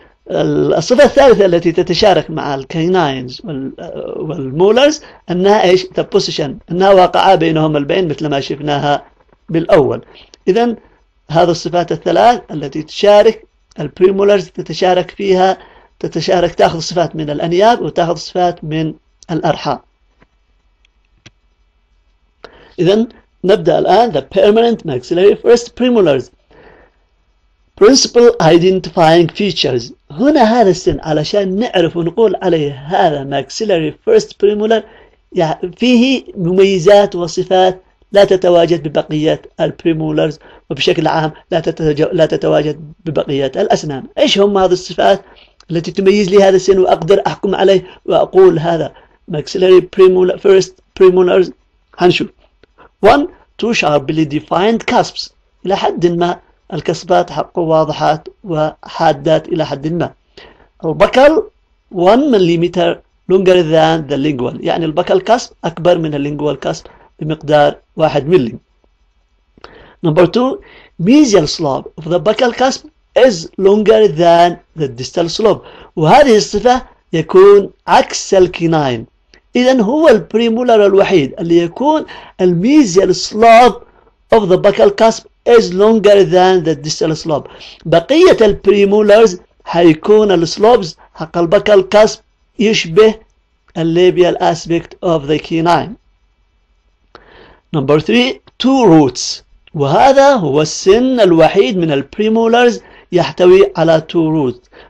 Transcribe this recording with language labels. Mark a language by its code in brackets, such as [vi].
[ar] الصفة الثالثة التي تتشارك مع الكينينز والمولرز أنها إيش؟ [en] the position، [ar] أنها واقعة بينهم البين مثل ما شفناها بالأول. إذا هذه الصفات الثلاث التي تشارك البريمولرز تتشارك فيها، تتشارك تأخذ صفات من الأنياب وتأخذ صفات من الأرحاء. إذا نبدأ الآن [en] the permanent maxillary first premolars principal identifying features. [ar] هنا هذا السن علشان نعرف ونقول عليه هذا [en] maxillary first premolar [ar] فيه مميزات وصفات لا لا تتواجد ببقية البريمولرز، وبشكل عام لا تتواجد ببقية الأسنان. إيش هم هذه الصفات التي تميز لي هذا السن وأقدر أحكم عليه وأقول هذا [en] maxillary premolar first premolars؟ [ar] هنشوف. [en] 1 2 sharply defined cusps، [ar] إلى حد ما الكسبات حقه واضحات وحادات إلى حد ما. البكل 1 مليمتر [en] longer than the lingual، [ar] يعني البكل كسب أكبر من اللينجوال كسب بمقدار 1 ملي. [en] Number 2 mesial slope of the buccal cusp is longer than the distal slope، [ar] وهذه الصفة يكون عكس الكيناين. إذا هو البريمولر الوحيد اللي يكون الميزيال سلوب [en] of the buccal cusp is longer than the distal slope. [ar] بقية البريمولرز هيكون السلوبز حق البكال كاسب يشبه الليبيال اسبكت [en] of the canine. Number 3 two roots، [ar] وهذا هو السن الوحيد من البريمولرز يحتوي على two roots.